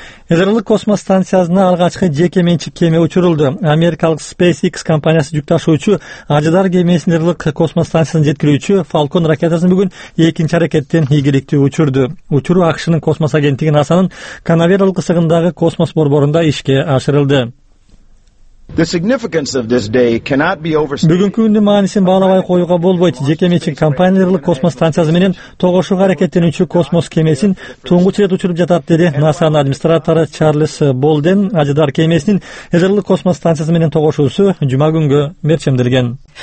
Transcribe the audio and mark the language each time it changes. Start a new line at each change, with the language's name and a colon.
Kyrgyz: Ырымдык космос станциясына алгачкы жеке менчик кеме учурулду. Америкалык SpaceX компаниясы жүк ташуучу Ажыдар кемесин ырымдык космос станциясына жеткирүүчү Falcon ракетасын бүгүн экинчи аракеттен ийгиликтүү учурду. Учуруу АКШнын космос агенттиги NASA'нын Канаверал кысыгындагы космос борборунда ишке ашырылды.
English: The significance of this day cannot be overstated.
Kyrgyz: Бүгүнкү күндүн маанисин баалабай коюуга болбойт. Жеке менчик компаниялык космос станциясы менен тогошуу аракеттенүүчү космос кемесин туңгуч рет учуруп жатат, деди NASA'нын администратору Чарльз Болден. Ажыдар кемесинин ырымдык космос станциясы менен тогошуусу жума күнгө мерчемделген.